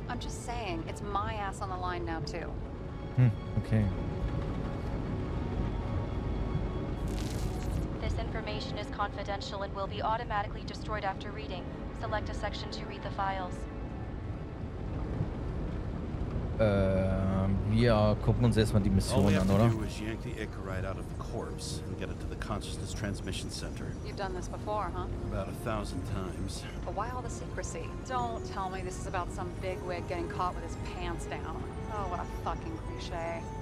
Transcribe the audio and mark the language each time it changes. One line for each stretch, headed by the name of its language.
English: I'm just saying, it's my ass on the line now, too. Okay. This information is confidential and will be automatically destroyed after reading. Select a section to read the files.
German: Wir gucken uns erstmal die Mission an, oder?
English: All we have to do is yank the Icarite out of the corpse and get it to the Consciousness Transmission Center. You've done this before, huh? About 1,000 times. But why all the secrecy? Don't tell me this is about some bigwig getting caught with his pants down. Oh, what a fucking cliche.